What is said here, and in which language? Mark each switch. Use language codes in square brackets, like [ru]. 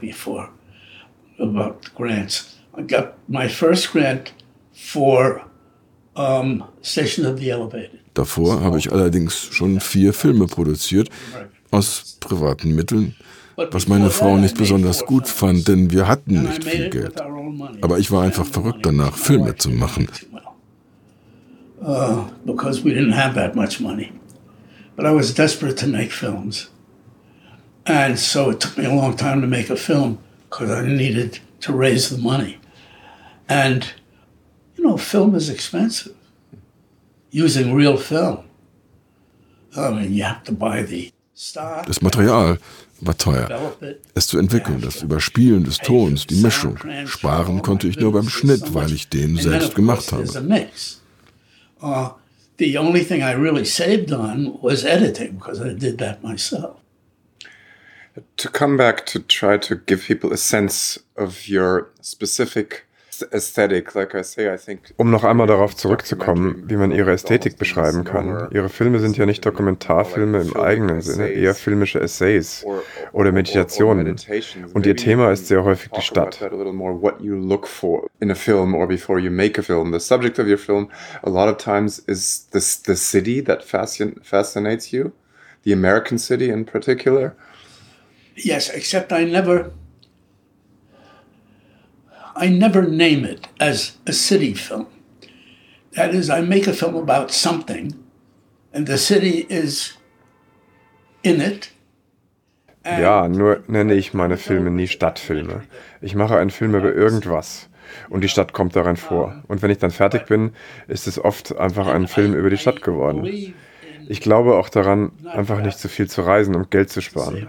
[en] Before about grants, I got my first grant for Station of the Elevated. [de] Davor habe ich allerdings schon 4 Filme produziert aus privaten Mitteln, was meine Frau nicht besonders gut fand, denn wir hatten nicht viel Geld. Aber ich war einfach verrückt danach, Filme zu machen. [en] Because we didn't have that much money. But I was desperate to make films. And so it took me a long time to make a film, because I needed to raise the money. And you know, film is expensive. Using real film. I mean, you have to buy the stock. [de] Das Material war teuer. Es zu entwickeln, das Überspielen des Tons, die Mischung. Sparen konnte ich nur beim Schnitt, weil ich den selbst gemacht habe. [en] The only thing I really saved on was editing, because I did that myself. To come back to try to give people a sense of your specific aesthetic, like I say, I think. [de] Um noch einmal darauf zurückzukommen, wie man ihre Ästhetik beschreiben kann. Ihre Filme sind ja nicht Dokumentarfilme im eigenen Sinne, eher filmische Essays oder Meditationen. Und ihr Thema ist sehr häufig die Stadt. [en] What you look for in a film or before you make a film. The subject of your film a lot of times is the city that fascinates you, the American city in particular. Yes, except I never name it as a city film. That is, I make a film about something, and the city is in it. [de] Ja, nur nenne ich meine Filme nie Stadtfilme. Ich mache einen Film über irgendwas, und die Stadt kommt darin vor. Und wenn ich dann fertig bin, ist es oft einfach ein Film über die Stadt geworden. Ich glaube auch daran, einfach nicht zu viel zu reisen, um Geld zu sparen.